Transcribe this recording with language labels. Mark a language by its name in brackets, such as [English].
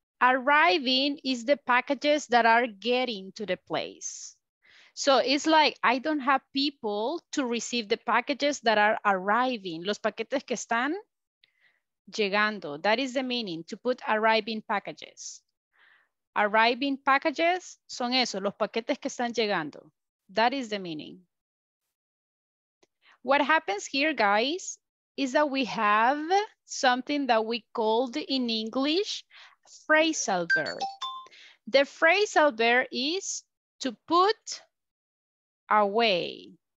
[English] Arriving is the packages that are getting to the place. So it's like, I don't have people to receive the packages that are arriving. [Spanish] Los paquetes que están llegando. [English] That is the meaning, to put arriving packages. Arriving packages [Spanish] son eso, los paquetes que están llegando. [English] That is the meaning. What happens here, guys, is that we have something that we called in English phrasal verb. The phrasal verb is to put away.